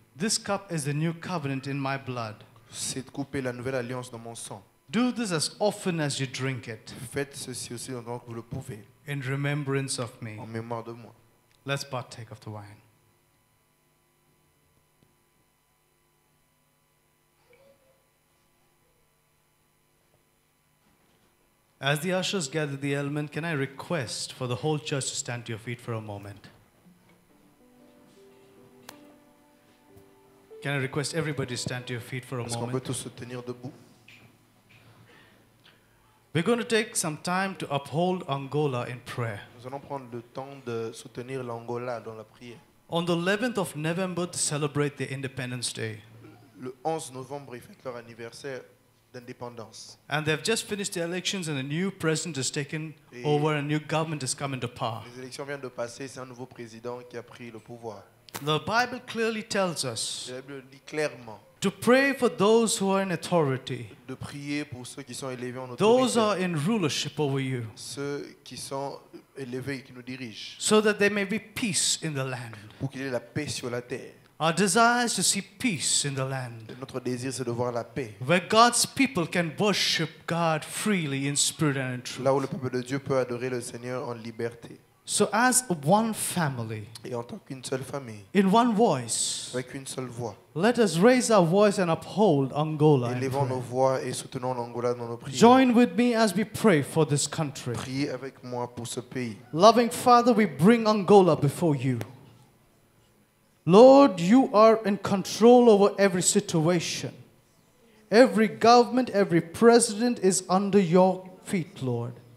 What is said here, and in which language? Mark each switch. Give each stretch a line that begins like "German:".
English: this cup is the new covenant in my blood.
French: Cette coupe est la nouvelle alliance dans mon sang.
English: Do this as often as you drink it.
French: Faites ceci aussi longtemps que vous le pouvez.
English: In remembrance of me.
French: En mémoire de moi.
English: Let's partake of the wine. As the ushers gather the element, can I request for the whole church to stand to your feet for a moment? Can I request everybody to stand to your feet for a moment?
French: Est-ce qu'on peut tous se tenir debout?
English: We're going to take some time to uphold Angola in prayer.
French: Nous allons prendre le temps de soutenir l'Angola dans la prière.
English: On the 11th of November, to celebrate their Independence Day.
French: Le 11 novembre, ils fêtent leur anniversaire.
English: And they've just finished the elections and a new president has taken over and a new government has come into power.
French: Les élections viennent de passer, c'est un nouveau président qui a pris le pouvoir.
English: The Bible clearly tells us
French: la Bible dit clairement,
English: to pray for those who are in authority.
French: De prier pour ceux qui sont élevés en autorité.
English: Those are in rulership over you.
French: Ceux qui sont élevés et qui nous dirigent.
English: So that there may be peace in the land.
French: Pour qu'il y ait la paix sur la terre.
English: Our desire is to see peace in the land.
French: Notre désir, c'est de voir la paix.
English: Where God's people can worship God freely in spirit and in truth.
French: Là où le peuple de Dieu peut adorer le Seigneur en liberté.
English: So as one family,
French: et en tant qu'une seule famille,
English: in one voice,
French: avec une seule voix,
English: let us raise our voice and uphold Angola.
French: Élevons nos voix et soutenons l'Angola dans nos prières.
English: Join with me as we pray for this country.
French: Priez avec moi pour ce pays.
English: Loving Father, we bring Angola before you. Lord, you are in control over every situation. Every government, every president is under your feet, Lord.